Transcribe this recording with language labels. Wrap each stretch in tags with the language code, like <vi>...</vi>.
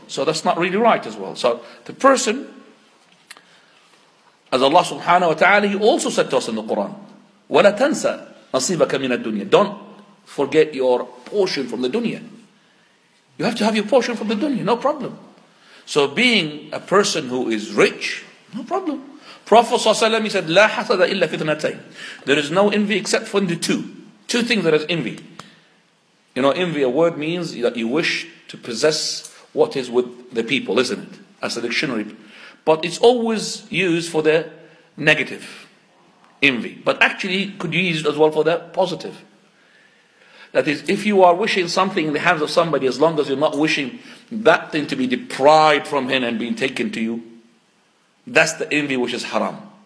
<en>So that's not really right as well. So the person, as Allah subhanahu wa ta'ala, he also said to us in the Quran,</en> <ar>وَلَا تَنْسَ نَصِيبَكَ مِنَ الدُّنْيَا.</ar> <en>Don't forget your portion from the dunya. You have to have your portion from the dunya, no problem. So being a person who is rich, no problem. Prophet ﷺ, he said,</en> <ar>لا حسد إلا فتنتين.</ar> <en>There is no envy except for the two. Two things that is envy. You know, envy, a word means that you wish to possess what is with the people, isn't it? As a dictionary. But it's always used for the negative envy. But actually, could you use it as well for the positive? That is, if you are wishing something in the hands of somebody, as long as you're not wishing that thing to be deprived from him and being taken to you, that's the envy which is haram.</en>